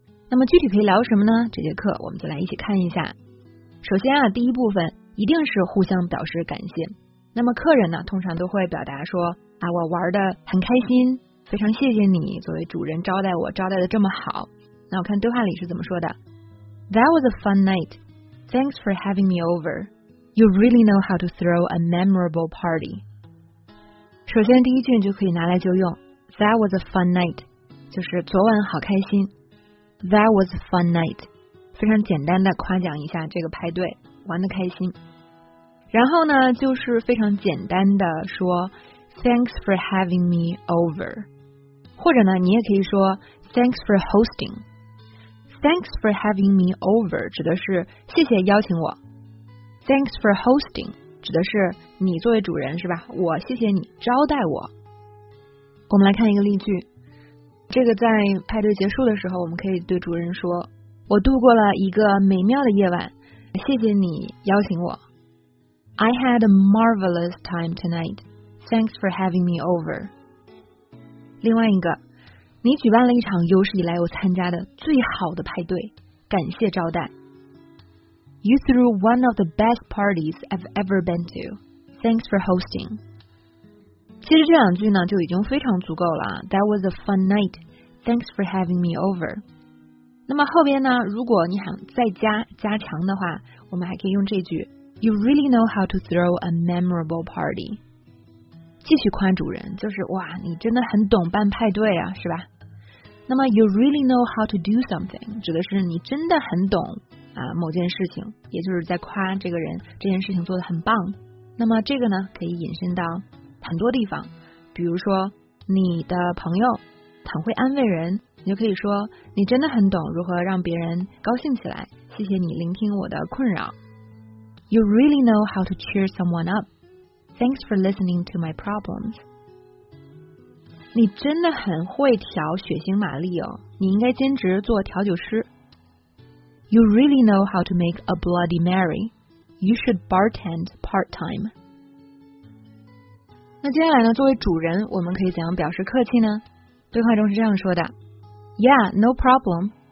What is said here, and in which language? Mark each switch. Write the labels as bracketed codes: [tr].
[zh] 那么具体可以聊什么呢？这节课我们就来一起看一下。首先啊，第一部分一定是互相表示感谢。那么客人呢，通常都会表达说啊，我玩得很开心，非常谢谢你作为主人招待我，招待得这么好。那我看对话里是怎么说的 ？ [en] That was a fun night. Thanks for having me over. You really know how to throw a memorable party. [zh] 首先第一句就可以拿来就用 ， [en] That was a fun night， [zh] 就是昨晚好开心。 [en] That was a fun night， [zh] 非常简单的夸奖一下这个派对。玩得开心，然后呢，就是非常简单的说 ， [en] Thanks for having me over， [zh] 或者呢，你也可以说 [en] Thanks for hosting。 Thanks for having me over [zh] 指的是谢谢邀请我 ， [en] Thanks for hosting [zh] 指的是你作为主人是吧？我谢谢你招待我。我们来看一个例句，这个在派对结束的时候，我们可以对主人说：我度过了一个美妙的夜晚。谢谢你邀请我。 [en] I had a marvelous time tonight. Thanks for having me over. [zh] 另外一个，你举办了一场有史以来我参加的最好的派对，感谢招待。 [en] You threw one of the best parties I've ever been to. Thanks for hosting. [zh] 其实这两句呢就已经非常足够了。 [en] That was a fun night. Thanks for having me over. [zh] 那么后边呢，如果你想再加强的话，我们还可以用这句 [en] You really know how to throw a memorable party， [zh] 继续夸主人，就是哇，你真的很懂办派对啊，是吧？那么 [en] You really know how to do something [zh] 指的是你真的很懂啊某件事情，也就是在夸这个人这件事情做得很棒。那么这个呢可以引申到很多地方，比如说你的朋友很会安慰人，你就可以说你真的很懂如何让别人高兴起来，谢谢你聆听我的困扰。 [en] You really know how to cheer someone up. Thanks for listening to my problems. [zh] 你真的很会调血腥玛丽哦，你应该兼职做调酒师。 [en] You really know how to make a Bloody Mary. You should bartend part-time. [zh] 那接下来呢，作为主人我们可以怎样表示客气呢？对话中是这样说的， [en] Yeah, no problem.